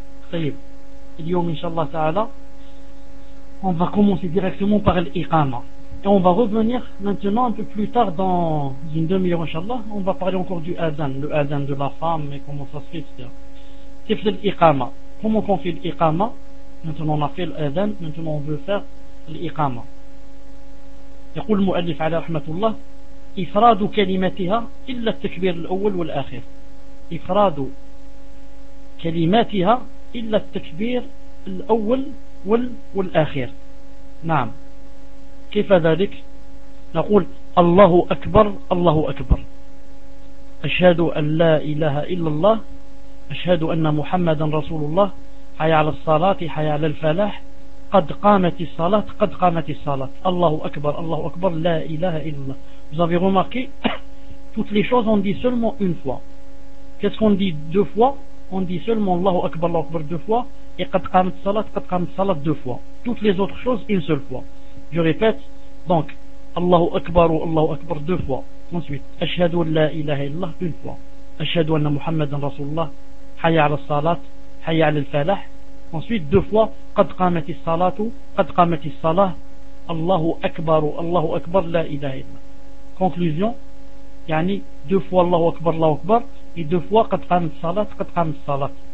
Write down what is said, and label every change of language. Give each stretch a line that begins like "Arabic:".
French: Tayyib. Aujourd'hui, inshallah ta'ala, on va commencer directement par l'iqama. Et on va revenir maintenant un peu plus tard, dans une demi-heure inshallah, on va parler encore du adhan, le adhan de la femme et comment ça se fait, etc. C'est fait l'iqama. Comment qu'on fait l'iqama? Maintenant on a fait l'adhan, maintenant on veut faire l'iqama.
Arabic: يقول المؤلف على رحمة الله إفراد كلمتها إلا التكبير الأول والآخر. إفراد كلماتها إلا التكبير الأول والآخر. نعم، كيف ذلك؟ نقول الله أكبر الله أكبر، أشهد أن لا إله إلا الله، أشهد أن محمدا رسول الله، حي على الصلاة حي على الفلاح، قد قامت الصلاة. الله أكبر لا إله إلا الله.
French: Vous avez remarqué, toutes les choses on dit seulement une fois. Qu'est-ce qu'on dit deux fois? On dit seulement Allahu Akbar deux fois, et
Arabic: قد قامت الصلاة
French: deux fois. Toutes les autres choses une seule fois. Je répète donc Allahu Akbar deux fois. Ensuite
Arabic: أشهد أن لا إله إلا الله
French: une fois.
Arabic: أشهد أن محمد رسول الله حي على الصلاة حي على الفلاح.
French: Ensuite deux fois
Arabic: قد قامت الصلاة Allahu Akbar la ilaha illa.
French: Conclusion, yani deux fois Allahu Akbar et deux fois
Arabic: قد قامت الصلاة.